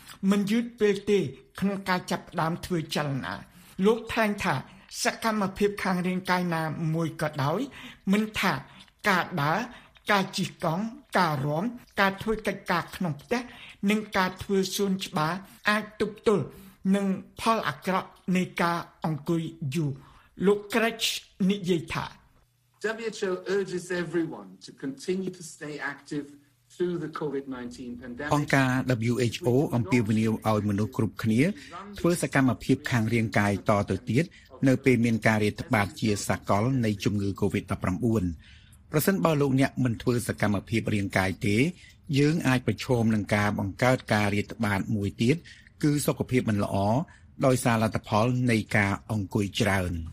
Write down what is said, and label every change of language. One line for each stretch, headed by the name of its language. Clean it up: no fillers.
Khmer: មិនយឺតពេលទេក្នុងការចាប់ផ្ដើមធ្វើចលនាលោកថ្លែងថាសកម្មភាពខាងរាងកាយណាមួយក៏ដោយមិនថាការដើរការជិះកង់ការរាំការធ្វើកិច្ចការក្នុងផ្ទះនិងការធ្វើសួនច្បារអាចទប់ទល់នឹងផលអាក្រក់នៃការអង្គុយយូរលោក Kretsch និយាយថា
English: WHO urges everyone to continue to stay active through the COVID-19 pandemic.
Khmer: អង្គការ WHO អំពាវនាវឲ្យមនុស្សគ្រប់គ្នាធ្វើសកម្មភាពខាងរាងកាយតទៅទៀតនៅពេលមានការរាតត្បាតជាសកលនៃជំងឺ COVID-19 ប្រសិនបើលោកអ្នកមិនធ្វើសកម្មភាពរាងកាយទេយើងអាចប្រឈមនឹងការបង្កើតការរាតត្បាតមួយទៀតគឺសុខភាពមិនល្អដោយសារលទ្ធផលនៃការអង្គុយច្រើន